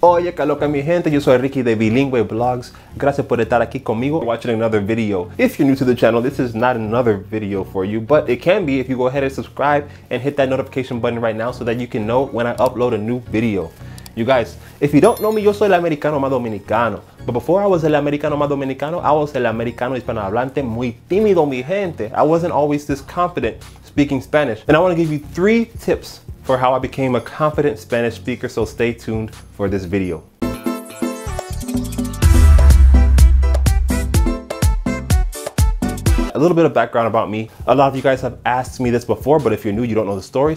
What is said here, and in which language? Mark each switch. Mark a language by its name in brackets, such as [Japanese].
[Spanish] Oye, qué loca mi gente, yo soy Ricky de Bilingüe Vlogs. Gracias por estar aquí conmigo [English] watching another video. If you're new to the channel, this is not another video for you, but it can be if you go ahead and subscribe and hit that notification button right now so that you can know when I upload a new video. You guys, if you don't know me, [Spanish] yo soy el americano más dominicano. [English] But before I was [Spanish] el americano más dominicano, [English] I was [Spanish] el americano hispanohablante muy tímido, mi gente. [English] I wasn't always this confident speaking Spanish. And I want to give you 3 tips for how I became a confident Spanish speaker, so stay tuned for this video. A little bit of background about me. A lot of you guys have asked me this before, but if you're new, you don't know the story.